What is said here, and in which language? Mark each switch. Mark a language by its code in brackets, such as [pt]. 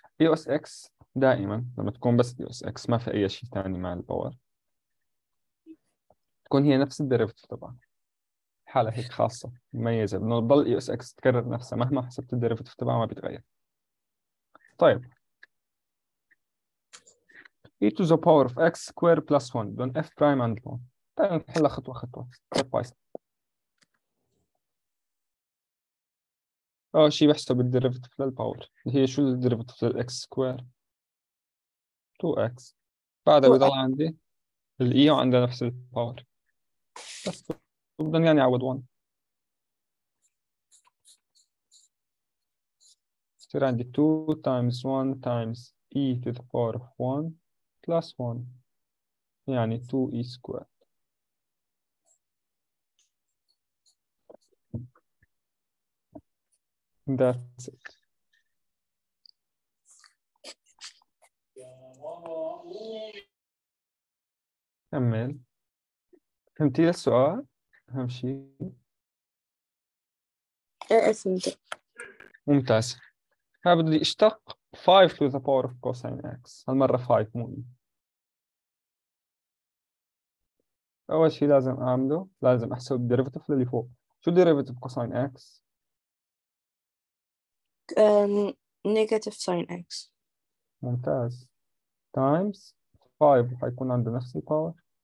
[ar] e اس x دائما لما تكون بس e اس x ما في اي شيء ثاني مع الباور تكون هي نفس الديريفيتيف طبعا. حاله هيك خاصه مميزه انه بضل e اس x تكرر نفسها مهما حسبت الديريفيتيف تبعها ما بيتغير. [en] طيب e to the power of x square plus 1 بدون f prime and 1. [ar] تعال نحلها خطوة خطوة step by step. اه شيء بحسب الديريفيتيف للباور، اللي هي شو الديريفيتيف للاكس سكوير 2x، بعدها بيضل x. [en] عندي الاي وعندها نفس الباور، بس بدنا يعني عوض 1، بصير عندي 2 times 1 times e to the power of 1 plus 1 يعني 2e squared. That's it. [ar] كمل. فهمتي السؤال؟ أهم شيء. ايه اسمك؟ ممتاز. ها بدي اشتق 5 to the power of cosine x. هالمرة 5 مو. أول شيء لازم أعمله، لازم أحسب الديريفيتيف للي فوق. شو الديريفيتيف كوساين اكس؟ [en] negative sine x. [ar] ممتاز. تايمز 5 حيكون عنده نفس الباور.